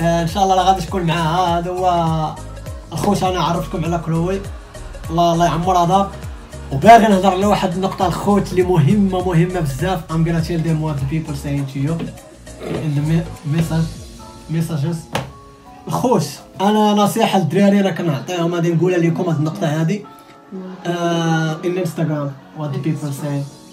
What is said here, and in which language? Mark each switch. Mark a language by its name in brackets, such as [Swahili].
[Arabic] ان شاء الله غادي تكون معاها هذا هو الخوش انا عرفتكم على كلوي الله الله يعمر هذا وباغي نهضر على واحد النقطه الخوت اللي مهمه بزاف. [English] I'm gonna tell them what the people saying to you in the messages. [Arabic] الخوش انا نصيحه للدراري راه كنعطيهم غادي نقولها لكم هذه النقطه هذه [English] in Instagram what the people saying.